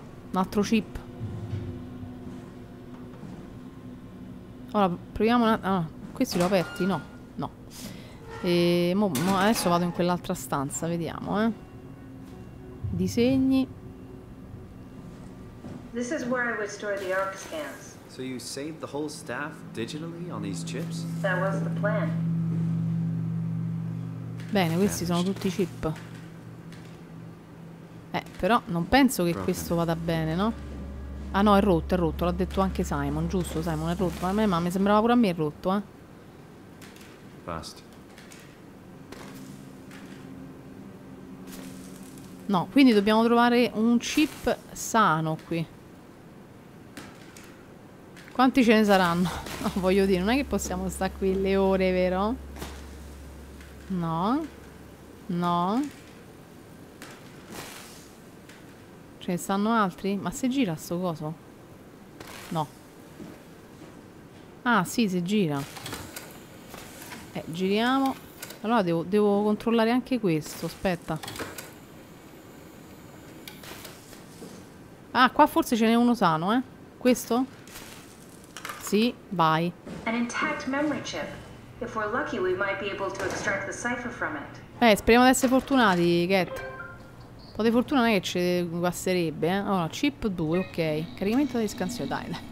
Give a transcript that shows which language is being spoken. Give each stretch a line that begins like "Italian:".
Italian: Un altro chip. Ora, proviamo un attimo. Ah, questi li ho aperti? No. No. E adesso vado in quell'altra stanza, vediamo, eh. Disegni.
English: This is where I would store the arc scans. So you saved the whole staff digitally on these chips? That was the plan.
Italian: Bene, questi sono tutti chip. Però non penso che questo vada bene, no? Ah no, è rotto, l'ha detto anche Simon, giusto Simon, è rotto. Ma mi sembrava pure a me è rotto, eh. Basta. No, quindi dobbiamo trovare un chip sano qui. Quanti ce ne saranno? No, voglio dire, non è che possiamo stare qui le ore, vero? No. No. Ce ne stanno altri? Ma se gira sto coso? No. Ah, sì, si gira. Giriamo. Allora devo controllare anche questo. Aspetta. Ah, qua forse ce n'è uno sano, eh? Questo? Sì, vai.
English: An intact memory chip. If we're lucky, we might be able to extract the cipher from it.
Italian: Speriamo di essere fortunati, Cat. Un po' di fortuna non è che ci guasterebbe, eh. Allora, chip 2, ok. Caricamento di scansione, dai, dai.